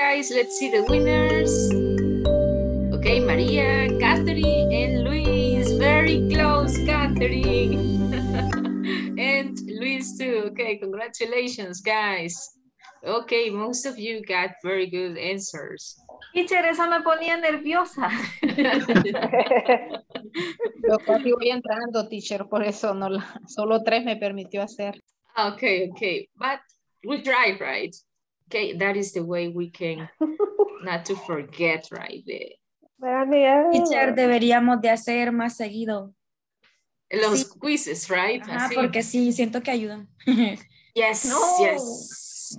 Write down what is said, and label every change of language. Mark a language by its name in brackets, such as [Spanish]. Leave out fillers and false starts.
[English] Let's see the winners. Okay, Maria, Catherine, and Luis. Very close, Catherine. And Luis too. Okay, congratulations, guys. Okay, most of you got very good answers. [Spanish] Teacher, eso me ponía nerviosa. Yo casi voy entrando, teacher, por eso no la, solo tres me permitió hacer. [English] Okay, okay. But we try, right? Okay, that is the way we can not to forget, right? [Spanish] Teacher, deberíamos de hacer más seguido. Los sí. [English] Quizzes, right? [Spanish] Ah, porque sí, siento que ayudan. [English] Yes, no. Yes.